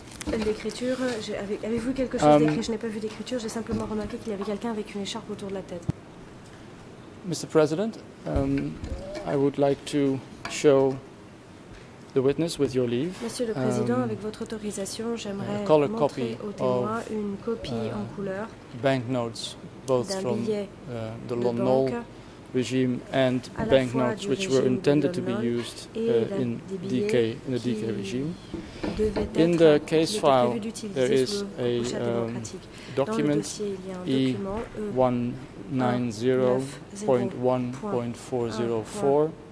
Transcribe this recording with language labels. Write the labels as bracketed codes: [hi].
[fr] L'écriture, avez-vous quelque chose d'écrit? Je n'ai pas vu d'écriture, j'ai simplement remarqué qu'il y avait quelqu'un avec une écharpe autour de la tête. [en] Mr. President, I would like to show the witness with your leave. [fr] Monsieur le Président, avec votre autorisation, j'aimerais montrer au témoin une copie en couleur [en] banknotes, both from the Lonnol regime and banknotes which were intended to be used in the DK regime. In the case file, there is a document E190.1.404.